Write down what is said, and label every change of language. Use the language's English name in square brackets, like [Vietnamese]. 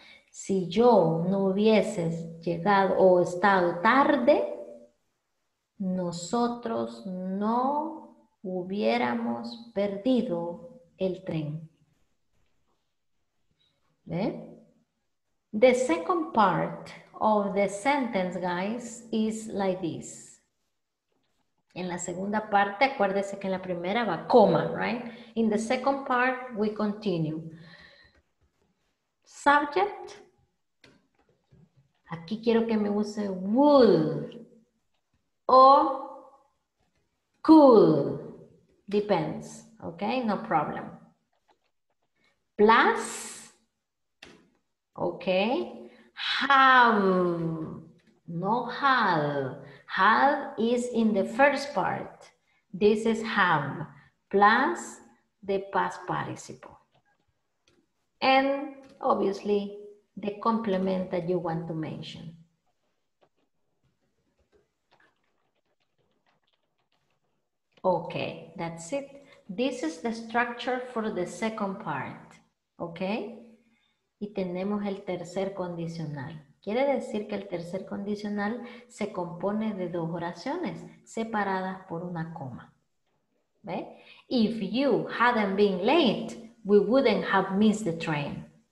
[Spanish] Si yo no hubiese llegado o estado tarde, nosotros no hubiéramos perdido el tren. ¿Eh? [English] The second part of the sentence, guys, is like this. [Spanish] En la segunda parte, acuérdese que en la primera va coma, right? [English] In the second part, we continue. Subject. [Spanish] Aquí quiero que me use would or could. [English] Depends, okay? No problem. Plus. Okay, have, no have. Have is in the first part. This is have plus the past participle. And obviously the complement that you want to mention. Okay, that's it. This is the structure for the second part. [Spanish] Okay? Y tenemos el tercer condicional. Quiere decir que el tercer condicional se compone de dos oraciones separadas por una coma. ¿Ve? [English] If you hadn't been late, we wouldn't have missed the train.